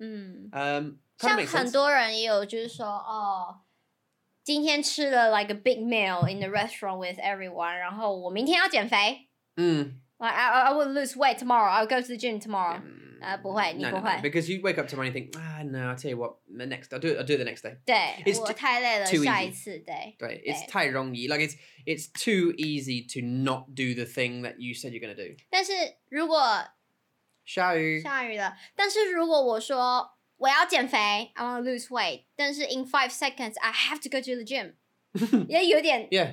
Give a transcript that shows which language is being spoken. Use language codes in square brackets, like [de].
[zh] Mm. 像很多人也有就是说，哦， 今天吃了 [en] like a big meal in the restaurant with everyone, [zh] 然后我明天要减肥。 [en] Like I will lose weight tomorrow, I'll go to the gym tomorrow. [zh] 不会，你不会。 [en] No. Because you wake up tomorrow and think, ah no, I'll tell you what, the next, I'll do it the next day. [zh] 对，我太累了，下一次，对。对，it's太容易, [en] like it's too easy to not do the thing that you said you're gonna do. [zh] 但是如果下雨了，但是如果我说我要减肥, [en] I want to lose weight. [zh] 但是 [en] in 5 seconds, I have to go to the gym. [zh] 也有点, yeah.